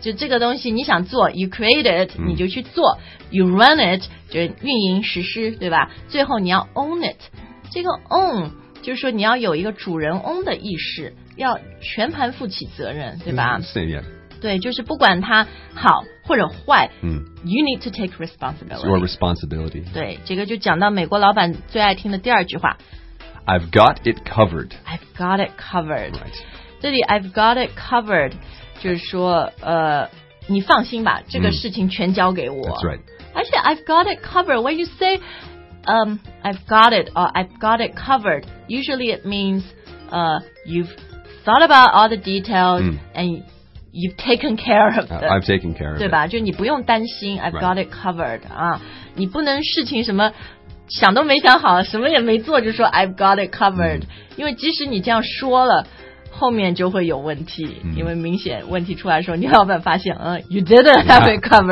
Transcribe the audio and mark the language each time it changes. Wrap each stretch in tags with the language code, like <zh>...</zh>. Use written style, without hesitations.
<zh>就这个东西你想做</zh> <en>You create it、</en> <zh>你就去做</zh> <en>You run it</en> <zh>就是运营实施对吧最后你要</zh> <en>own it</en> <zh>这个 own 就是说你要有一个主人翁的意识要全盘负起责任对吧、对就是不管它好或者坏、</zh> <en>You need to take responsibility Your responsibility</en> <zh>对这个就讲到美国老板最爱听的第二句话</zh> <en>I've got it covered. I've got it covered. Right.</en> <zh>这里</zh> <en>I've got it covered</en> <zh>就是说你放心吧这个事情全交给我。</zh> <en>That's right. Actually, I've got it covered. When you say, I've got it or I've got it covered, usually it means, you've thought about all the details and you've taken care of it. I've taken care of it.</en> <zh>对吧就你不用担心</zh> <en>I've got it covered.</en> <zh>你不能事情什么想都没想好什么也没做就说 I've got it covered、因为即使你这样说了后面就会有问题、因为明显问题出来的时候你老板发现、</zh> <en>You didn't have it covered</en>